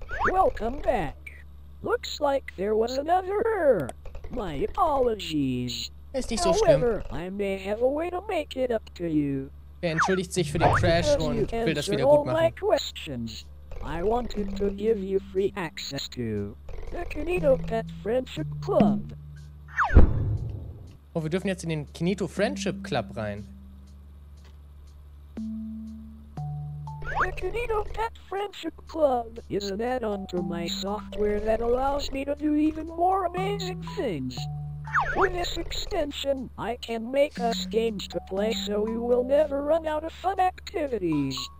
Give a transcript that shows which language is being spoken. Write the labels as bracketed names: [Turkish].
[English] Welcome back. Looks like there was another. My apologies. [German] Ist nicht so schlimm. [English] However, I may have a way to make it up to you. [German] Er entschuldigt sich für den Crash und will das wieder gut machen. [English] All my questions. I wanted to give you free access to the KinitoPET Friendship Club. [German] Oh, wir dürfen jetzt in den Kinito Friendship Club rein. [English] The KinitoPET Friendship Club is an add-on to my software that allows me to do even more amazing things. With this extension, I can make us games to play so we will never run out of fun activities.